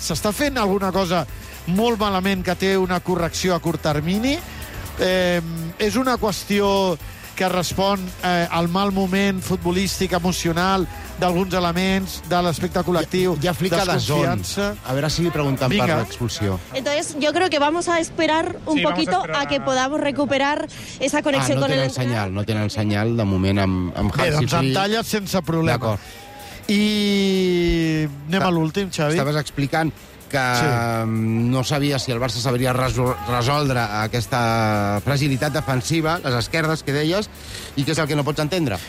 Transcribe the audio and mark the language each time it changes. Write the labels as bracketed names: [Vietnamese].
[Catalan] S'està fent alguna cosa molt malament que té una correcció a curt termini? És una qüestió que respon al mal moment futbolístic, emocional, d'alguns elements, de l'aspecte col·lectiu, ja flica de zon. A veure si li pregunten. Vinga. Per l'expulsió. [Spanish] Entonces, yo creo que vamos a esperar un poquito a que podamos recuperar esa conexión no con el... [Catalan] No tenen senyal, de moment, amb Hansi. Doncs amb talla sense problema. D'acord. I anem a l'últim, Xavi. Estaves explicant que no sabia si el Barça sabria resoldre aquesta fragilitat defensiva, les esquerdes que deies, i què és el que no pots entendre?